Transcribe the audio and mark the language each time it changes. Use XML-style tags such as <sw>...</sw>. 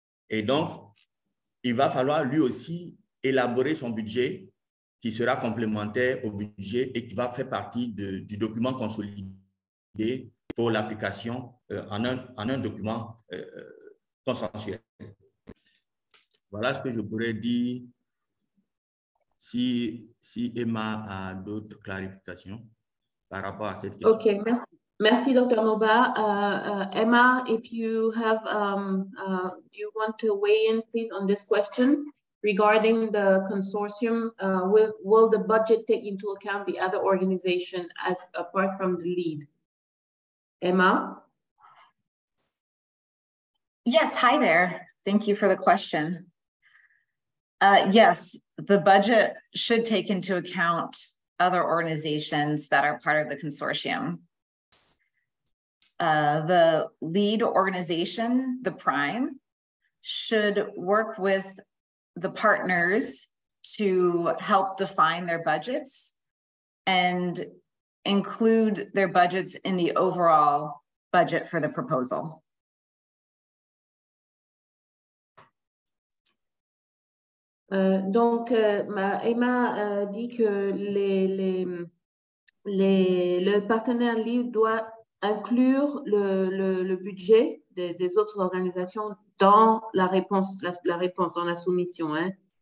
<fr>Et donc, il va falloir lui aussi élaborer son budget qui sera complémentaire au budget et qui va faire partie du document consolidé pour l'application en un document consensuel. Voilà ce que je pourrais dire. Si Emma a d'autres clarifications par rapport à cette question. OK, merci Dr. Noba.</fr> <en>Emma, if you have you want to weigh in please on this question regarding the consortium, will the budget take into account the other organization as apart from the lead? Emma? Yes, hi there. Thank you for the question. Yes, the budget should take into account other organizations that are part of the consortium. The lead organization, the prime, should work with the partners to help define their budgets and include their budgets in the overall budget for the proposal.</en> <fr>Donc, Emma dit que le partenaire lead doit inclure le budget des autres organisations dans la réponse, dans la soumission. Hein.</fr>